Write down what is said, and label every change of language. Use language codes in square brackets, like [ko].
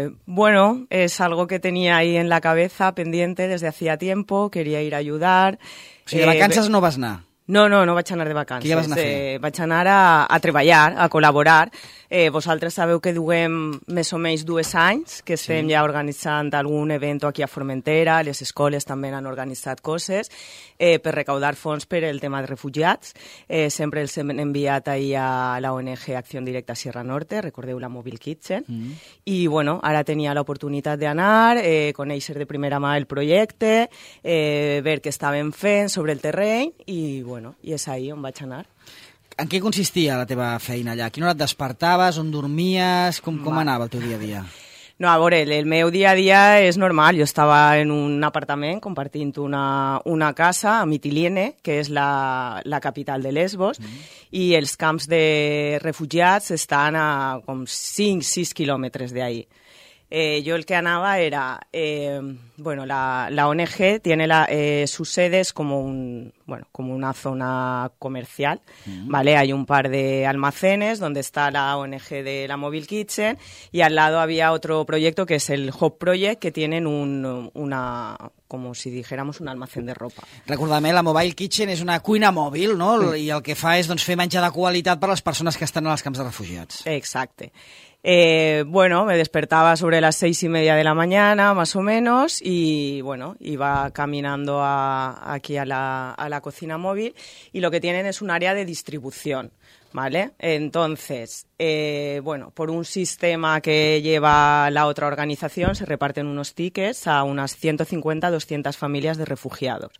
[es] Bueno, es algo que tenía ahí en la cabeza, pendiente, desde hacía tiempo, quería ir a ayudar. [ca] O sigui, de vacances no vas anar? No vaig anar de vacances. Què ja vas anar a fer? Vaig anar a treballar, a col·laborar. Vosaltres sabeu que duem més o menys 2 anys, que estem ja organitzant algun event aquí a Formentera, les escoles també han organitzat coses, per recaudar fons per el tema de refugiats. Sempre els hem enviat ahí a la ONG Acció Directa Sierra Norte, recordeu la Mobile Kitchen. I bueno, ara tenia l'oportunitat d'anar, conèixer de primera mà el projecte, veure què estaven fent sobre el terreny i bueno, i és ahí on vaig anar. En què consistia la teva feina allà? A quina hora et despertaves? On dormies? Com anava el teu dia a dia? No, a veure, el meu dia a dia és normal. Jo estava en un apartament compartint una casa a Mitilene, que és la capital de Lesbos, i els camps de refugiats estan a com 5-6 quilòmetres d'ahí. Jo el que anava era... [es] bueno, la ONG tiene sus sedes como como una zona comercial, ¿vale? Hay un par de almacenes donde está la ONG de la Mobile Kitchen y al lado había otro proyecto que es el Hope Project, que tienen una, como si dijéramos, un almacén de ropa. Recordame, la Mobile Kitchen es una cuina móvil, ¿no? [ca] Y el que fa es, doncs, fer menjar de qualitat per a les persones que estan en els camps de refugiats. Exacte. [es] Bueno, me despertava sobre les 6:30 de la mañana, más o menos, y bueno, iba caminando aquí a la cocina móvil, y lo que tienen es un área de distribución, ¿vale? Entonces, bueno, por un sistema que lleva la otra organización, se reparten unos tickets a unas 150-200 familias de refugiados.